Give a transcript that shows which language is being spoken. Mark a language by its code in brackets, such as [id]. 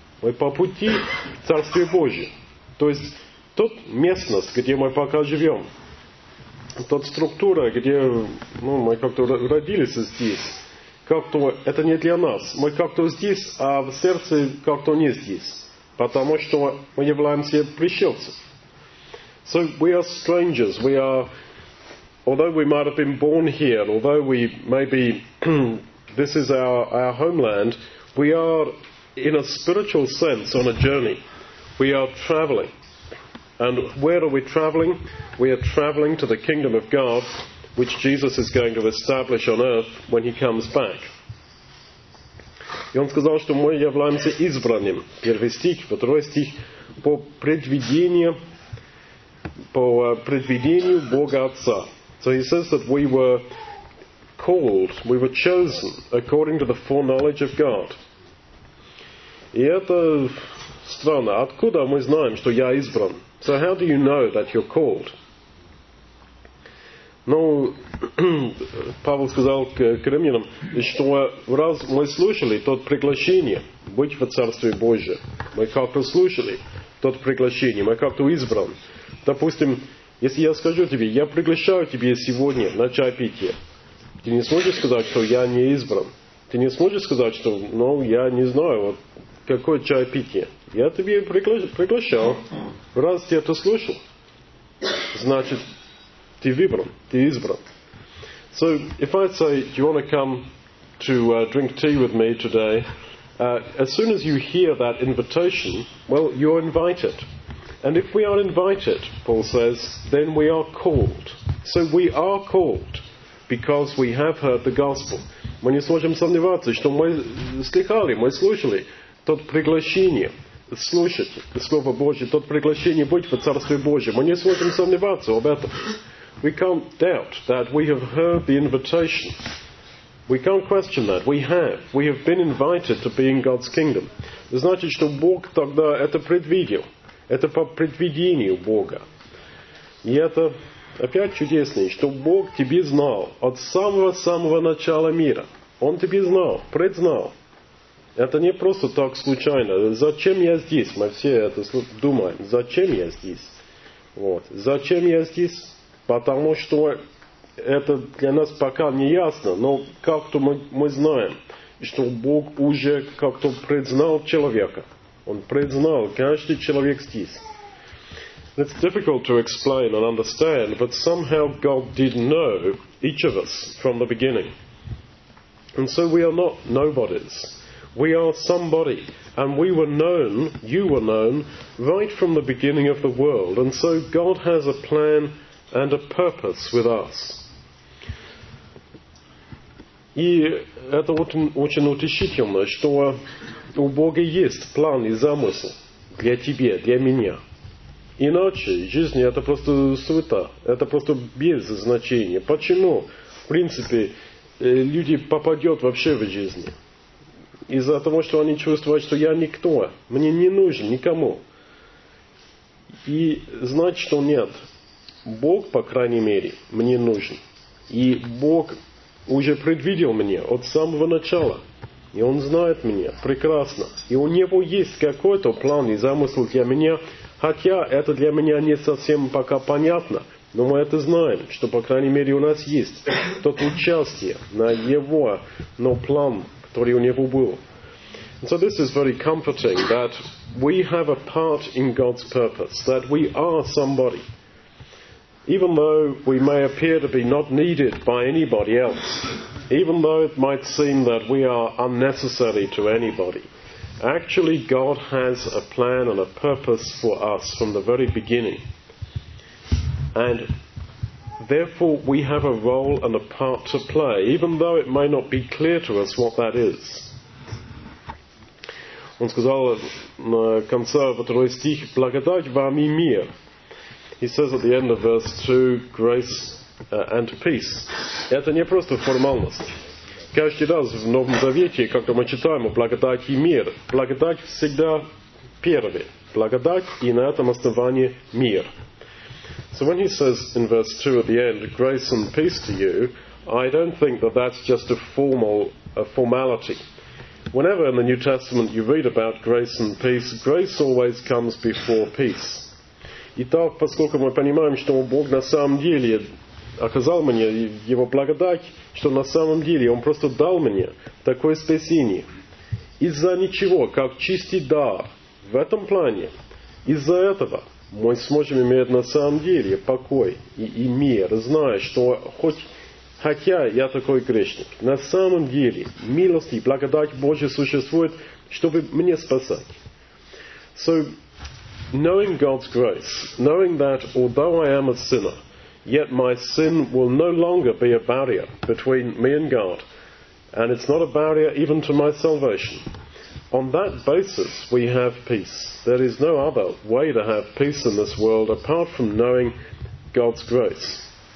[ru] Мы по пути в Царствие Божие. То есть, тот местность, где мы пока живем, тот структура, где, ну, мы как-то родились здесь, как-то это не для нас. Мы как-то здесь, а в сердце как-то не здесь. Потому что мы являемся пришельцами. [en] So we are strangers. We are, although we might have been born here, although we maybe this is our homeland, we are in a spiritual sense on a journey. We are traveling. And where are we traveling? We are traveling to the kingdom of God, which Jesus is going to establish on earth when he comes back. [ru] И он сказал, что мы являемся избранным. Первый стих, второй стих, по предвидению Бога Отца. [en] So he says that we were called, we were chosen according to the foreknowledge of God. [ru] И это странно. Откуда мы знаем, что я избран? [en] So how do you know that you're called? [ru] Ну, Павел сказал к римлянам, что раз мы слушали то приглашение быть в Царстве Божьем, мы как-то слушали то приглашение, мы как-то избраны. Допустим, если я скажу тебе, я приглашаю тебя сегодня на чаепитие, ты не сможешь сказать, что я не избран. Ты не сможешь сказать, что, ну, я не знаю, вот, какое чаепитие. Я тебе приглашал. Раз ты это слушал, значит, ты выбран, ты избран. [en] So, if I say, do you want to come to drink tea with me today, as soon as you hear that invitation, well, you're invited. And if we are invited, Paul says, then we are called. So we are called because we have heard the gospel. [ru] Мы не сможем сомневаться, что мы слыхали, мы слушали то приглашение. Слушать Слово Божие, то приглашение быть в Царстве Божьем. Мы не сможем сомневаться об этом. [en] We can't doubt that we have heard the invitation. We can't question that. We have. We have been invited to be in God's kingdom. [ru] Значит, что Бог тогда это предвидел. Это по предвидению Бога. И это опять чудесно, что Бог тебе знал от самого-самого начала мира. Он тебе знал, предзнал. Это не просто так случайно. Зачем я здесь? Мы все это думаем. Зачем я здесь? Вот. Зачем я здесь? Потому что это для нас пока не ясно, но как-то мы знаем, что Бог уже как-то предзнал человека. Он предзнал каждый человек здесь. [en] It's difficult to explain and understand, but somehow God did know each of us from the beginning. And so we are not nobodies. We are somebody. And we were known, you were known, right from the beginning of the world. And so God has a plan and a purpose with us. [ru] И это очень утешительно, что у Бога есть план и замысел для тебя, для меня. Иначе жизнь это просто суета, это просто без значения. Почему, в принципе, люди попадут вообще в жизнь? Из-за того, что они чувствуют, что я никто, мне не нужен никому. И знать, что нет. Бог, по крайней мере, мне нужен. И Бог уже предвидел меня от самого начала. И Он знает меня прекрасно. И у Него есть какой-то план и замысел для меня, хотя это для меня не совсем пока понятно. Но мы это знаем, что, по крайней мере, у нас есть тот участие на Его, но план, который у Него был. [en] And so this is very comforting, that we have a part in God's purpose, that we are somebody. Even though we may appear to be not needed by anybody else, even though it might seem that we are unnecessary to anybody, actually God has a plan and a purpose for us from the very beginning. And therefore we have a role and a part to play, even though it may not be clear to us what that is. [ru] Он сказал на конце второй стих, «Благодать вам и мир». [en] He says at the end of verse 2, «Grace and peace». [ru] Это не просто формальность. Каждый раз в Новом Завете, когда мы читаем «благодать и мир», благодать всегда первая. Благодать и на этом основании мир. [en] So when he says in verse 2 at the end, «Grace and peace to you», I don't think that that's just a formality. Whenever in the New Testament you read about grace and peace, grace always comes before peace. [ru] Итак, поскольку мы понимаем, что Бог на самом деле оказал мне Его благодать, что на самом деле Он просто дал мне такое спасение, из-за ничего, как чистый дар в этом плане, из-за этого мы сможем иметь на самом деле покой и мир, зная, что хотя я такой грешник, на самом деле милость и благодать Божья существует, чтобы мне спасать. [en] So, knowing God's grace, knowing that although I am a sinner, yet my sin will no longer be a barrier between me and God, and it's not a barrier even to my salvation. On that basis, we have peace. There is no other way to have peace in this world apart from knowing God's grace.